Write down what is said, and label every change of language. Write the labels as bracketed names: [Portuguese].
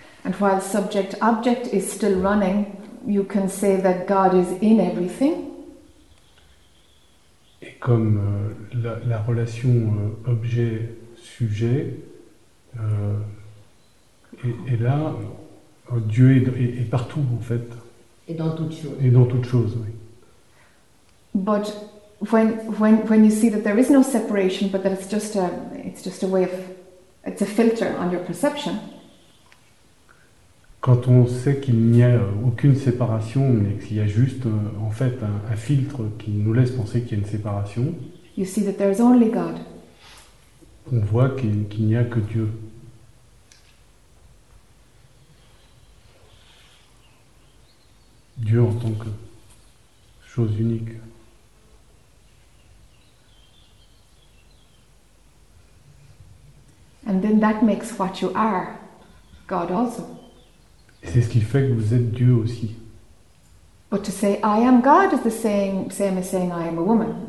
[English] And while subject-object is still running, you can say that God is in everything. [French] Et comme la relation objet-sujet est là, Dieu est partout en fait. Et dans toute chose. Et dans toute chose, oui. [English] But when you see that there is no separation, but that it's just a way of, it's a filter on your perception. [French] Quand on sait qu'il n'y a aucune séparation, mais qu'il y a juste en fait un filtre qui nous laisse penser qu'il y a une séparation. [English] You see that there is only God. [French] On voit qu'il n'y a que Dieu. Dieu en tant que chose unique. [English] And then that makes what you are, God also. [French] C'est ce qui fait que vous êtes Dieu aussi. [English] But to say I am God is the same as saying I am a woman.